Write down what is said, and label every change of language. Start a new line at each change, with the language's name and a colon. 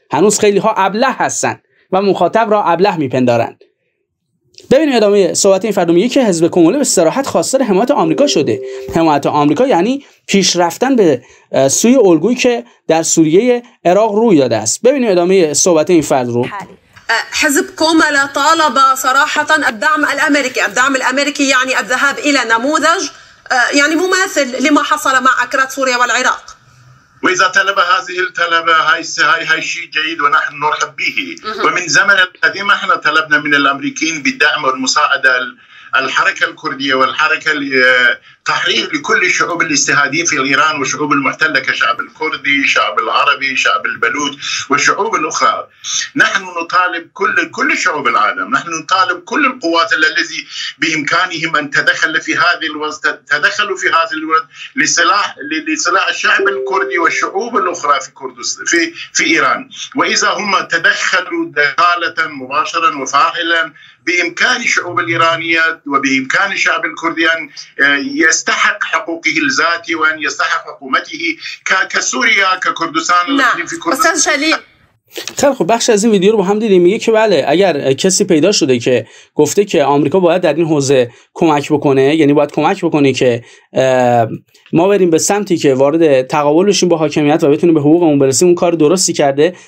Persian: هنوز خیلی ها ابله هستن و مخاطب را ابله میپندارن. ببینیم ادامه صحبت این فرد، میگه که حزب کومله به صراحت خواستار حمایت آمریکا شده. حمایت آمریکا یعنی پیش رفتن به سوی الگویی که در سوریه عراق روی داده است. ببینیم ادامه صحبت این فرد رو.
Arabic: حزب كومالا طالب صراحة الدعم الأمريكي، الدعم الأمريكي يعني الذهاب إلى نموذج يعني مماثل لما حصل مع أكراد سوريا والعراق. وإذا طلب هذه الطلبة هاي شيء جيد ونحن نرحب به. ومن زمن القديم احنا طلبنا من الأمريكيين بالدعم والمساعدة الحركة الكردية والحركة تحرير لكل الشعوب الاستهادين في إيران وشعوب المحتلة كشعب الكردي، شعب العربي، شعب البلوت والشعوب الأخرى. نحن نطالب كل شعوب العالم، نحن نطالب كل القوات التي بإمكانهم أن تدخل في هذه الوسط، تدخلوا في هذه الوسط لصلاح الشعب الكردي والشعوب الأخرى في كردستان في إيران. وإذا هم تدخلوا دخالة مباشرة وفاعلا بإمكان الشعوب الإيرانية وبإمكان الشعب الكردي أن يستحق حقوقه الذاتي وأن يستحق حكومته كسوريا ككردستان في كردستان.
Persian: خیلی خوب، بخش از این ویدیو رو با هم دیدیم. میگه که بله، اگر کسی پیدا شده که گفته که آمریکا باید در این حوزه کمک بکنه، یعنی باید کمک بکنه که ما بریم به سمتی که وارد تقابل بشیم با حاکمیت و بتونیم به حقوقمون برسیم، اون کار درستی کرده.